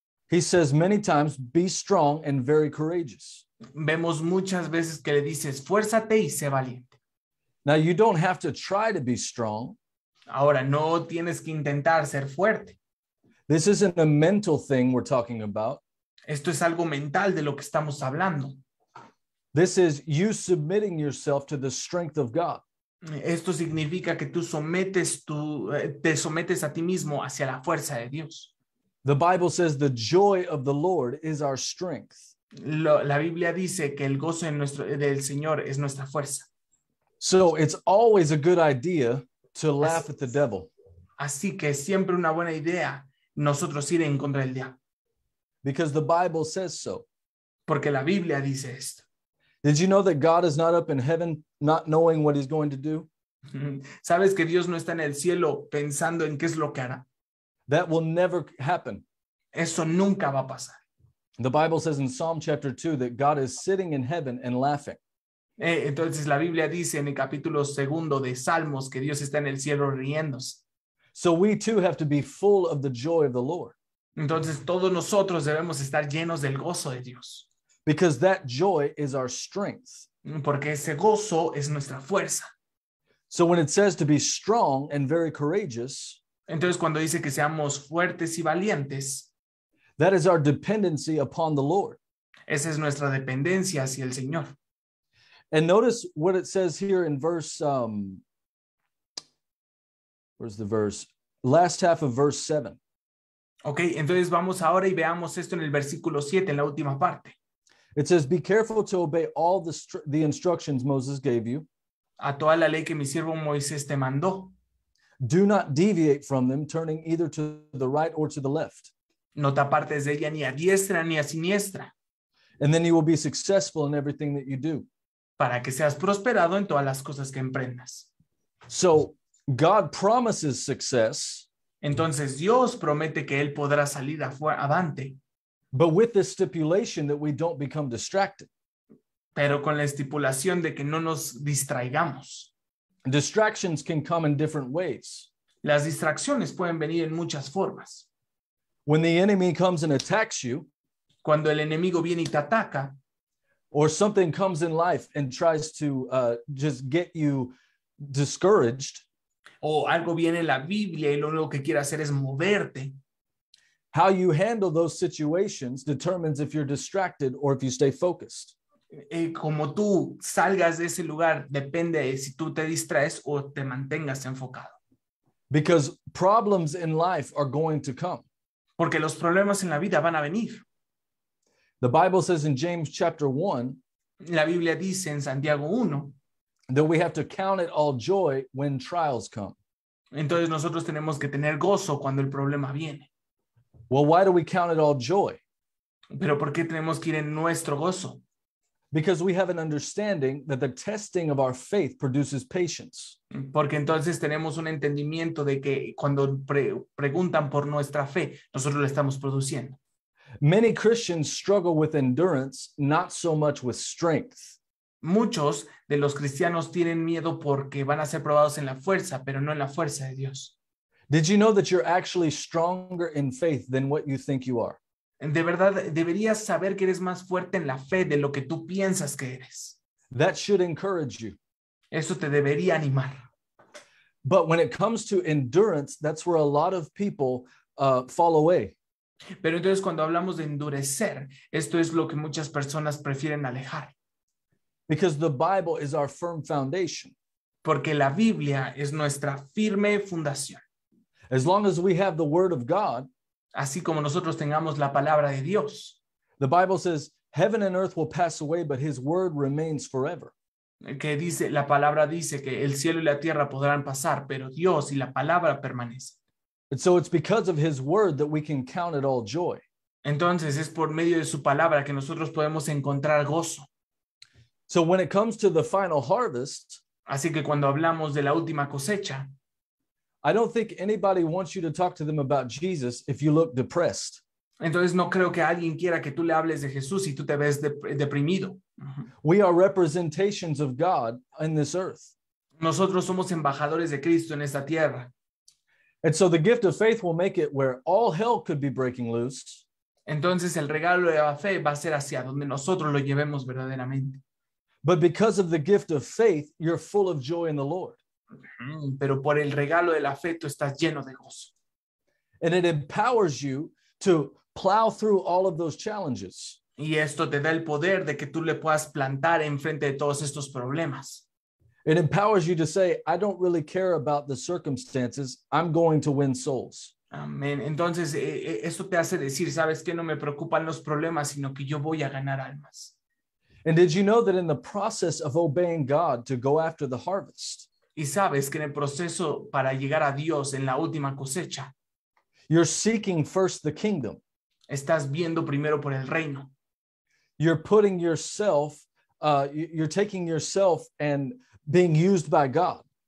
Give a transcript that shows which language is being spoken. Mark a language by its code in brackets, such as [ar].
[en] He says many times, be strong and very courageous. [es] Vemos muchas veces que le dice, esfuérzate y sé valiente. [en] Now you don't have to try to be strong. [es] Ahora no tienes que intentar ser fuerte. [en] This isn't a mental thing we're talking about. [es] Esto es algo mental de lo que estamos hablando. [en] This is you submitting yourself to the strength of God. [es] Esto significa que tú te sometes a ti mismo hacia la fuerza de Dios. [en] The Bible says the joy of the Lord is our strength. [es] La Biblia dice que el gozo del Señor es nuestra fuerza. [en] So it's always a good idea to laugh at the devil. [es] Así que es siempre una buena idea nosotros ir en contra del diablo. [en] Because the Bible says so. [es] Porque la Biblia dice esto. [en] Did you know that God is not up in heaven not knowing what he's going to do? [es] ¿Sabes que Dios no está en el cielo pensando en qué es lo que hará? [en] That will never happen. [es] Eso nunca va a pasar. [en] The Bible says in Psalm chapter 2 that God is sitting in heaven and laughing. [es] Entonces la Biblia dice en el capítulo segundo de Salmos que Dios está en el cielo riéndose. [en] So we too have to be full of the joy of the Lord. [es] Entonces todos nosotros debemos estar llenos del gozo de Dios. [en] Because that joy is our strength. [es] Porque ese gozo es nuestra fuerza. [en] So when it says to be strong and very courageous. [es] Entonces cuando dice que seamos fuertes y valientes. [en] That is our dependency upon the Lord. [es] Esa es nuestra dependencia hacia el Señor. [en] And notice what it says here in last half of verse 7. [es] Okay, entonces vamos ahora y veamos esto en el versículo 7, en la última parte. [en] It says, be careful to obey all the instructions Moses gave you. [es] A toda la ley que mi siervo Moisés te mandó. [en] Do not deviate from them, turning either to the right or to the left. [es] No te apartes de ella ni a diestra ni a siniestra. [en] And then you will be successful in everything that you do. [es] Para que seas prosperado en todas las cosas que emprendas. [en] So, God promises success. [es] Entonces, Dios promete que él podrá salir adelante. [en] But with the stipulation that we don't become distracted. [es] Pero con la estipulación de que no nos distraigamos. [en] Distractions can come in different ways. [es] Las distracciones pueden venir en muchas formas. [en] When the enemy comes and attacks you. [es] Cuando el enemigo viene y te ataca. [en] Or something comes in life and tries to just get you discouraged. [es] O algo viene en la Biblia y lo único que quiere hacer es moverte. [en] How you handle those situations determines if you're distracted or if you stay focused. [es] Como tú salgas de ese lugar depende de si tú te distraes o te mantengas enfocado. [en] Because problems in life are going to come. [es] Porque los problemas en la vida van a venir. [en] The Bible says in James chapter 1. [es] La Biblia dice en Santiago 1. [en] That we have to count it all joy when trials come. [es] Entonces nosotros tenemos que tener gozo cuando el problema viene. [en] Well, why do we count it all joy? [es] Pero ¿por qué tenemos que ir en nuestro gozo? [en] Because we have an understanding that the testing of our faith produces patience. [es] Porque entonces tenemos un entendimiento de que cuando preguntan por nuestra fe, nosotros la estamos produciendo. [en] Many Christians struggle with endurance, not so much with strength. [es] Muchos de los cristianos tienen miedo porque van a ser probados en la fuerza, pero no en la fuerza de Dios. [en] Did you know that you're actually stronger in faith than what you think you are? [es] De verdad, deberías saber que eres más fuerte en la fe de lo que tú piensas que eres. [en] That should encourage you. [es] Eso te debería animar. [en] But when it comes to endurance, that's where a lot of people fall away. [es] Pero entonces cuando hablamos de endurecer, esto es lo que muchas personas prefieren alejar. [en] Because the Bible is our firm foundation. [es] Porque la Biblia es nuestra firme fundación. [en] As long as we have the Word of God, [es] así como nosotros tengamos la palabra de Dios. [en] The Bible says, heaven and earth will pass away, but his word remains forever. [es] Que dice, la palabra dice que el cielo y la tierra podrán pasar, pero Dios y la palabra permanecen. [en] And so it's because of his word that we can count it all joy. [es] Entonces es por medio de su palabra que nosotros podemos encontrar gozo. [en] So when it comes to the final harvest, [es] así que cuando hablamos de la última cosecha, [en] I don't think anybody wants you to talk to them about Jesus if you look depressed. [es] Entonces no creo que alguien quiera que tú le hables de Jesús si tú te ves deprimido. [en] We are representations of God in this earth. [es] Nosotros somos embajadores de Cristo en esta tierra. [en] And so the gift of faith will make it where all hell could be breaking loose. [es] Entonces el regalo de la fe va a ser hacia donde nosotros lo llevemos verdaderamente. [en] But because of the gift of faith, you're full of joy in the Lord. [es] Pero por el regalo de la fe, tú estás lleno de gozo. [en] And it empowers you to plow through all of those challenges. [es] Y esto te da el poder de que tú le puedas plantar enfrente de todos estos problemas. [en] It empowers you to say, I don't really care about the circumstances. I'm going to win souls. [es] Amén. Entonces, esto te hace decir, ¿sabes qué? No me preocupan los problemas, sino que yo voy a ganar almas. [en] And did you know that in the process of obeying God to go after the harvest? [es] Y sabes que en el proceso para llegar a Dios en la última cosecha, [en] you're seeking first the kingdom. [es] Estás viendo primero por el reino. [en] You're putting yourself, you're taking yourself and being used by God.